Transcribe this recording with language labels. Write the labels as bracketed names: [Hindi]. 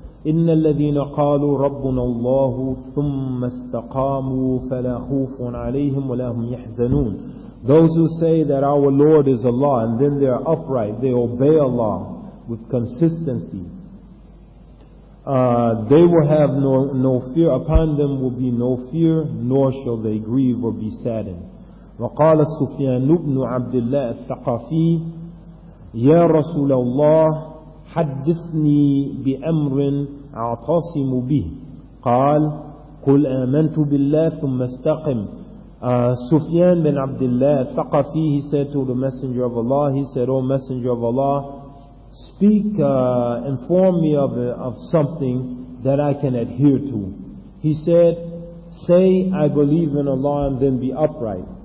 [Arabic] إِنَّ الَّذِينَ قَالُوا رَبُّنَا اللَّهُ ثُمَّ اسْتَقَامُوا فَلَا خُوفٌ عَلَيْهِمْ وَلَا هُمْ يَحْزَنُونَ. [English] Those who say that our Lord is Allah, and then they are upright, they obey Allah with consistency, they will have no fear, upon them will be no fear, nor shall they grieve or be saddened. [Arabic] وقال سفيان بن عبد الله الثقفي يا رسول الله حدثني بأمر أعتصم به قال قل آمنت بالله ثم استقم. [English] Sufyan bin Abdullah al-Thaqafi, he said to the Messenger of Allah, he said, O Messenger of Allah, speak, inform me of something that I can adhere to. He said, say, I believe in Allah and then be upright.